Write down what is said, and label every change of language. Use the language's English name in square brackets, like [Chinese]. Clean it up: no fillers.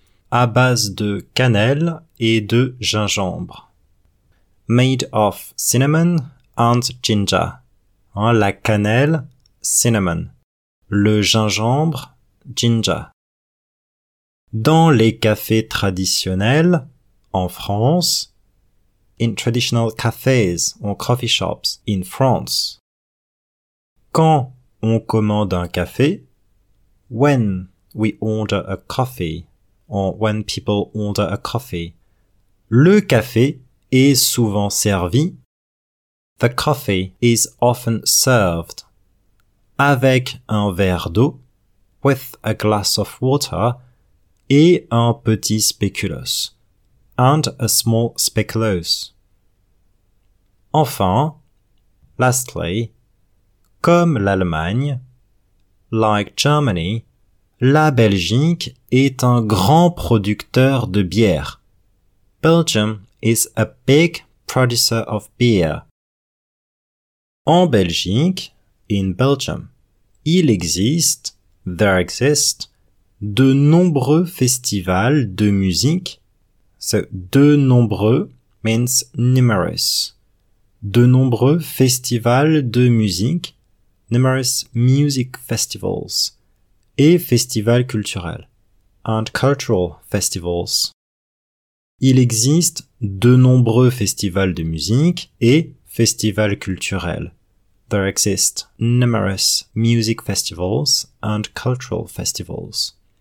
[French] À base de cannelle et de gingembre. [English] Made of cinnamon and ginger. [French] Hein, la cannelle, [English] cinnamon. [French] Le gingembre, [English] ginger. [French] Dans les cafés traditionnels, en France. [English] In traditional cafes or coffee shops in France. [French] Quand on commande un café, [English] when we order a coffee, or when people order a coffee, [French] le café est souvent servi, [English] the coffee is often served, [French] avec un verre d'eau, [English] with a glass of water, [French] et un petit spéculoos, [English] and a small spéculoos. [French] Enfin, [English] lastly, [French] comme l'Allemagne, [English] like Germany, [French] la Belgique est un grand producteur de bière. [English] Belgium is a big producer of beer. [French] En Belgique, [English] in Belgium, [French] il existe, [English] there exist, [French] de nombreux festivals de musique. [English] So, [French] de nombreux [English] means numerous. [French] De nombreux festivals de musique. [English] Numerous music festivals [French] et festivals culturels [English] and cultural festivals. [French] Il existe de nombreux festivals de musique et festivals culturels. [English] There exist numerous music festivals and cultural festivals.